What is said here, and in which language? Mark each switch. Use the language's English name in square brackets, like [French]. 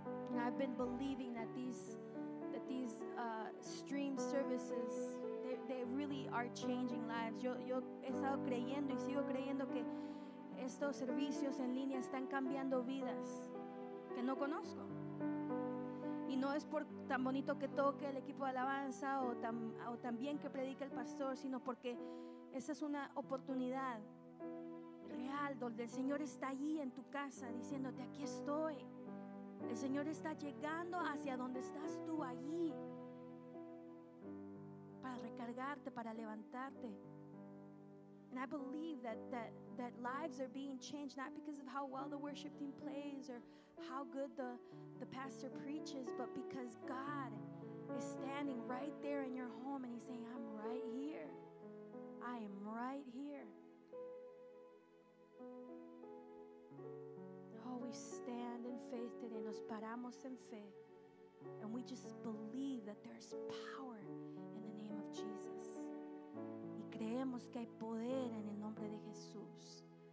[English] And I've been believing that these stream services they really are changing lives. [Spanish] Yo he estado creyendo y sigo creyendo que estos servicios en línea están cambiando vidas que no conozco. Y no es por tan bonito que toque el equipo de alabanza o tan bien que predique el pastor, sino porque esa es una oportunidad real donde el Señor está allí en tu casa diciéndote: aquí estoy. El Señor está llegando hacia donde estás tú allí para recargarte, para levantarte. [English] And I believe that lives are being changed, not because of how well the worship team plays or how good the pastor preaches, but because God is standing right there in your home and he's saying, I'm right here. I am right here. Oh, we stand in faith today. [Spanish] Nos paramos en fe. [English] And we just believe that there's power in the name of Jesus. [Spanish] Y creemos que hay poder en el nombre de Jesús.